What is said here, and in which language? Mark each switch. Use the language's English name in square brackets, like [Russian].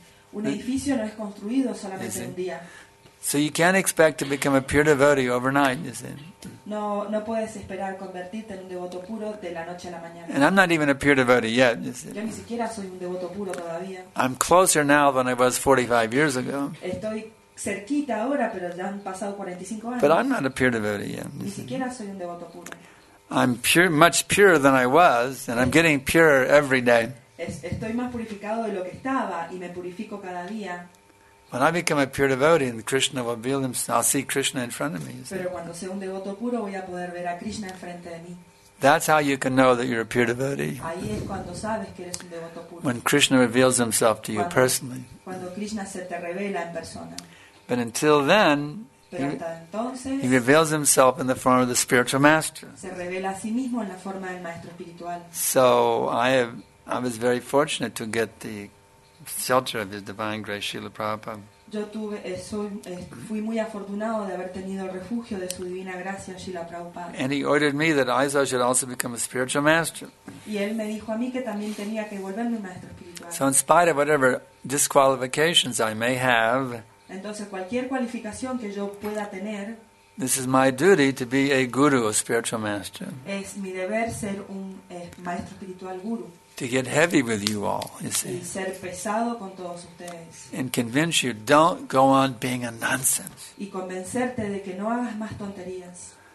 [Spanish] Un edificio no es construido solamente en un día. [English] So you can't expect to become a pure devotee overnight, you see. [Spanish] No puedes esperar convertirte en un devoto puro de la noche a la mañana. [English] And I'm not even a pure devotee yet, you see. [Spanish] Yo ni siquiera soy un devoto puro todavía. [English] I'm closer now than I was 45 years ago. [Spanish] Estoy cerquita ahora, pero ya han pasado 45 años. [English] But I'm not a pure devotee yet. [Spanish] Ni siquiera soy un devoto puro. [English] I'm pure, much purer than I was, and I'm getting purer every day. [Spanish] Estoy más purificado de lo que estaba y me purifico cada día. [English] When I become a pure devotee, and Krishna will reveal himself, I'll see Krishna in front of me. [Spanish] Pero cuando sea un devoto puro, voy a poder ver a Krishna enfrente de mí. [English] That's how you can know that you're a pure devotee. [Spanish] Ahí es cuando sabes que eres un devoto puro. [English] When Krishna reveals himself to you personally. [Spanish] Cuando Krishna se te revela en persona. [English] But until then, [Spanish] entonces, [English] he reveals himself in the form of the spiritual master. [Spanish] Se revela a sí mismo en la forma del maestro espiritual. [English] So I was very fortunate to get the shelter of his divine grace, Srila Prabhupada. [Spanish] Yo fui muy afortunado de haber tenido el refugio de su divina gracia, Srila Prabhupada. [English] And he ordered me that I should also become a spiritual master. [Spanish] Y él me dijo a mí que también tenía que volverme un maestro espiritual. [English] So in spite of whatever disqualifications I may have, [Spanish] entonces cualquier cualificación que yo pueda tener, [English] this is my duty to be a guru, a spiritual master. [Spanish] Es mi deber ser un maestro espiritual guru. [English] To get heavy with you all, you see. [Spanish] Y ser pesado con todos ustedes. [English] And convince you, don't go on being a nonsense. [Spanish] Y convencerte de que no hagas más tonterías.